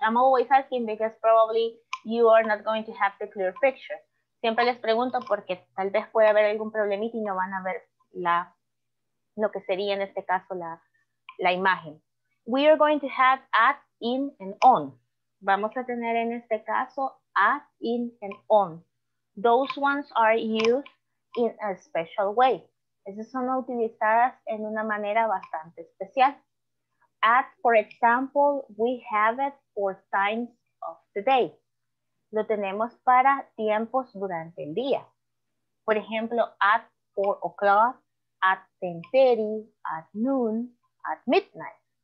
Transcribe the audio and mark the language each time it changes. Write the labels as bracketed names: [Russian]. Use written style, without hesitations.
[English] I'm always asking because probably you are not going to have the clear picture. [Spanish] Siempre les pregunto porque tal vez puede haber algún problemita y no van a ver la, lo que sería en este caso la, la imagen. [English] We are going to have at, in, and on. [Spanish] Vamos a tener en este caso [English] at, in, and on. Those ones are used in a special way. [Spanish] Esas son utilizadas en una manera bastante especial. [English] At, for example, we have it for times of the day. [Spanish] lo tenemos para tiempos durante el día. Por ejemplo, [English] at 4 o'clock, at 10:30, at noon, at midnight.